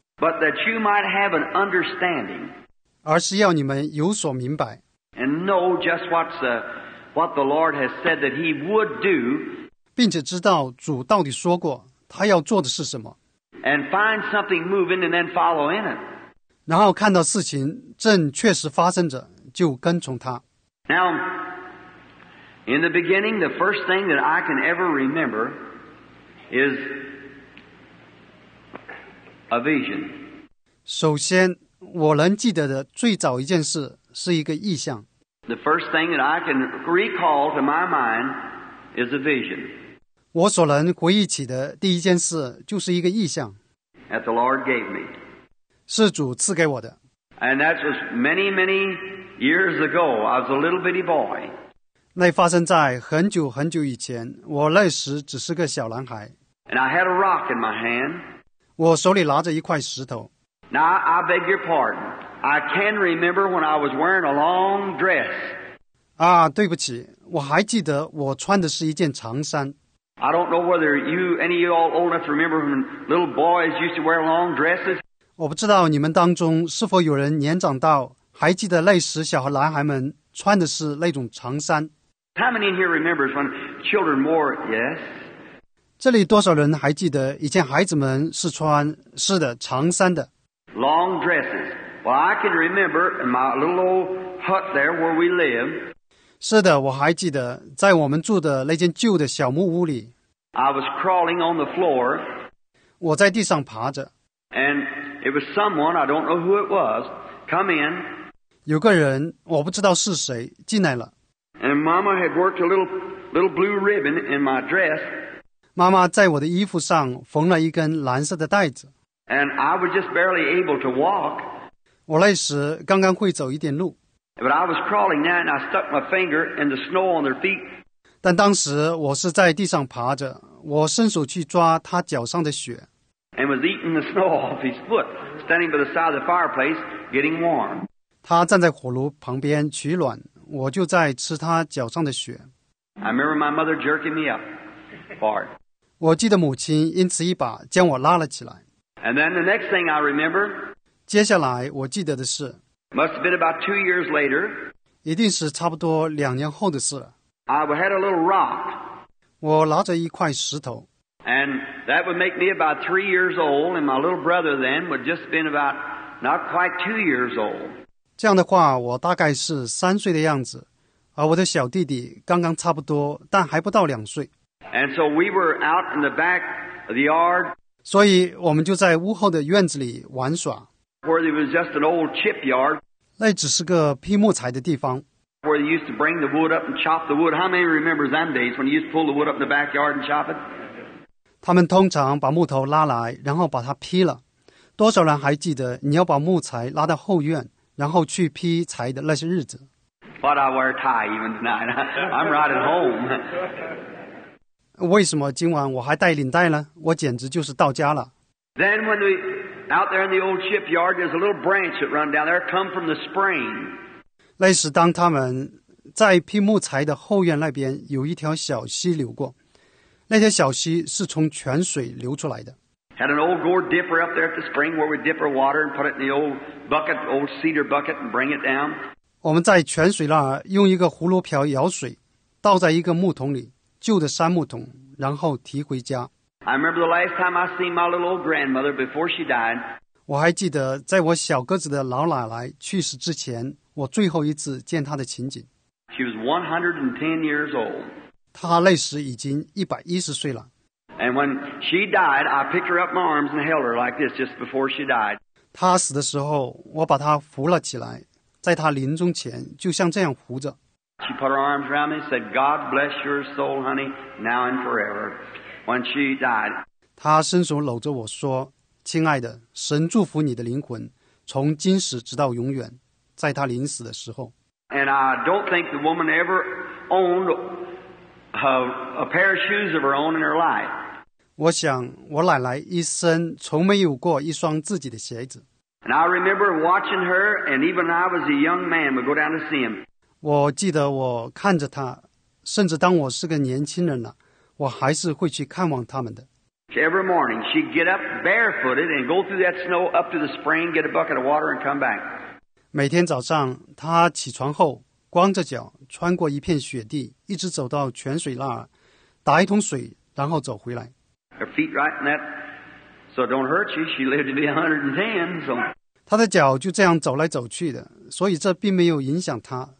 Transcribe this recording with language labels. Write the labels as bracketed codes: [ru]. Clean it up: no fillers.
[en] But that you might have an understanding. [zh] 而是要你们有所明白。 [en] And know just what the Lord has said that he would do. [zh] 并且知道主到底说过他要做的是什么。 [en] And find something moving and then follow in it. [zh] 然后看到事情正确实发生着就跟从他。 [en] Now, in the beginning, the first thing that I can ever remember is a vision. [zh] 首先我能记得的最早一件事是一个意象。 [en] The first thing that I can recall to my mind is a vision. [zh] 我所能回忆起的第一件事就是一个意象。 [en] That the Lord gave me. [zh] 是主赐给我的。 [en] And that was many, many years ago. I was a little bitty boy. [zh] 那发生在很久很久以前，我那时只是个小男孩。 [en] And I had a rock in my hand. [zh] 我手里拿着一块石头。 [en] Now, I beg your pardon. I can remember when I was wearing a long dress. [zh] 啊，对不起，我还记得我穿的是一件长衫。 [en] I don't know whether any of you all old enough to remember when little boys used to wear long dresses. [zh] 我不知道你们当中是否有人年长到还记得那时小和男孩们穿的是那种长衫。 [en] How many in here remembers when children wore, yes? [zh] 这里多少人还记得以前孩子们是穿，是的，长衫的。 [en] Long dresses. Well, I can remember in my little old hut there where we live. [zh] 是的，我还记得在我们住的那间旧的小木屋里。 [en] I was crawling on the floor. [zh] 我在地上爬着。 [en] And it was someone, I don't know who it was, come in. [zh] 有个人，我不知道是谁，进来了。 [en] And Mama had worked a little blue ribbon in my dress. [zh] 妈妈在我的衣服上缝了一根蓝色的带子。 [en] And I was just barely able to walk. [zh] 我那时刚刚会走一点路。 [en] But I was crawling now and I stuck my finger in the snow on their feet. [zh] 但当时我是在地上爬着，我伸手去抓他脚上的雪。 [en] And was eating the snow off his foot, standing by the side of the fireplace, getting warm. [zh] 他站在火炉旁边取暖，我就在吃他脚上的雪。 [en] I remember my mother jerking me up far. [zh] 我记得母亲因此一把将我拉了起来。 [en] And then the next thing I remember, [zh] 接下来我记得的是 [en] must have been about 2 years later, [zh] 一定是差不多两年后的事了。 [en] I had a little rock, [zh] 我拿着一块石头。 [en] And that would make me about 3 years old, and my little brother then would just been about not quite 2 years old. [zh] 这样的话，我大概是三岁的样子，而我的小弟弟刚刚差不多，但还不到两岁。 [en] And so we were out in the back of the yard, [zh] 所以我们就在屋后的院子里玩耍。 [en] Where there was just an old chip yard. [zh] 那只是个劈木材的地方。 [en] Where they used to bring the wood up and chop the wood. How many remembers them days when you used to pull the wood up in the backyard and chop it? [zh] 他们通常把木头拉来，然后把它劈了。多少人还记得你要把木材拉到后院，然后去劈柴的那些日子 [en] ？But I wear a tie even tonight. I'm right at home. [zh] 为什么今晚我还带领带呢？我简直就是到家了。 [en] Then when we out there in the old shipyard, there's a little branch that run down there, come from the spring. [zh] 那时当他们在劈木材的后院那边有一条小溪流过，那条小溪是从泉水流出来的。 [en] Had an old gourd dipper up there at the spring where we dip our water and put it in the old bucket, old cedar bucket, and bring it down. [zh] 我们在泉水那儿用一个葫芦瓢舀水，倒在一个木桶里。旧的杉木桶，然后提回家。 [en] I remember the last time I seen my little old grandmother before she died. [zh] 我还记得在我小个子的老奶奶去世之前，我最后一次见她的情景。 [en] She was 110 years old. [zh] 她那时已经110岁了。 [en] And when she died, I picked her up in my arms and held her like this just before she died. [zh] 她死的时候，我把她扶了起来，在她临终前就像这样扶着。 [en] She put her arms around me and said, God bless your soul, honey, now and forever. When she died. [zh] 她伸手搂着我说，亲爱的，神祝福你的灵魂，从今时直到永远，在她临死的时候。 [en] And I don't think the woman ever owned a pair of shoes of her own in her life. [zh] 我想我奶奶一生从没有过一双自己的鞋子。 [en] And I remember watching her, and even when I was a young man, would go down to see him. [zh] 我记得我看着她，甚至当我是个年轻人了，我还是会去看望他们的。 [en] Every morning, she'd get up barefooted and go through that snow up to the spring, get a bucket of water, and come back. [zh] 每天早上，她起床后光着脚穿过一片雪地，一直走到泉水那儿，打一桶水，然后走回来。 [en] Her feet right in that, so don't hurt you. She lived to be 110. So. [zh] 她的脚就这样走来走去的，所以这并没有影响她。